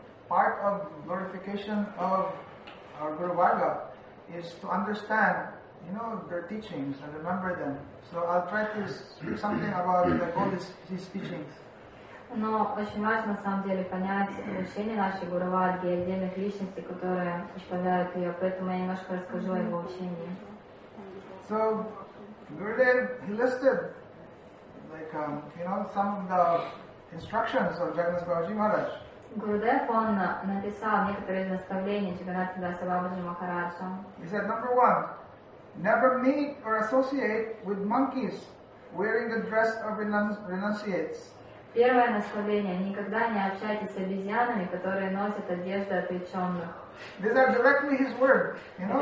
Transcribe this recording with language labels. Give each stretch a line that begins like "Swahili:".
English: Part of glorification of our Guru Varga is to understand, you know, their teachings and remember them. So I'll try to speak something about like all his teachings.
Russian: Но очень важно, на самом деле, понять учение нашей Гуру Варги и отдельных личностей, которые исповедуют ее. Поэтому я немножко расскажу о его учении.
English: So Gurudev, he listed like you know some of the instructions of Jagannath Babaji Maharaj.
Russian: Гурудев, он написал некоторые наставления Джаганнатхадаса Бабаджи Махараджа.
English: He said, number one, never meet or associate with monkeys wearing the dress of renunciates.
Russian: Первое наставление, никогда не общайтесь с обезьянами, которые носят одежду отреченных.
English: These are directly his words, you know.